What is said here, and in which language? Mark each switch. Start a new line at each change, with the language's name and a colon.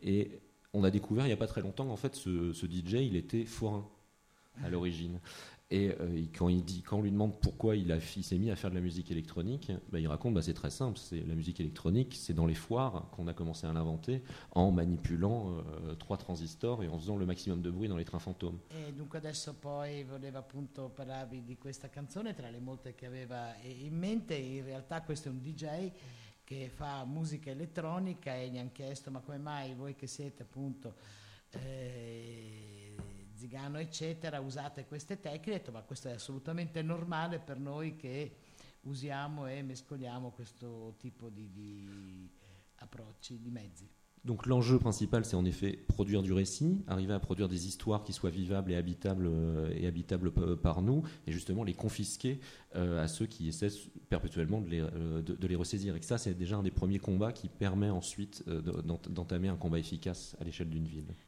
French: Et on a découvert il n'y a pas très longtemps qu'en fait ce DJ, il était forain à l'origine. Et quand on lui demande pourquoi il s'est mis à faire de la musique électronique, il raconte, c'est très simple, c'est la musique électronique, c'est dans les foires qu'on a commencé à l'inventer en manipulant 3 transistors et en faisant le maximum de bruit dans les trains fantômes. Et donc,
Italian: adesso poi voleva appunto parlarvi di questa canzone tra le molte che aveva in mente. In realtà questo è un DJ che fa musica elettronica e gli hanno chiesto: ma come mai voi che siete appunto Zigano eccetera usate queste tecniche? Ma questo è assolutamente normale per noi che usiamo e mescoliamo questo tipo di approcci, di mezzi.
French: Donc l'enjeu principal, c'est en effet produire du récit, arriver à produire des histoires qui soient vivables et habitables par nous, et justement les confisquer à ceux qui essaient perpétuellement de les ressaisir. Et que ça, c'est déjà un des premiers combats qui permet ensuite d'entamer un combat efficace à l'échelle d'une ville.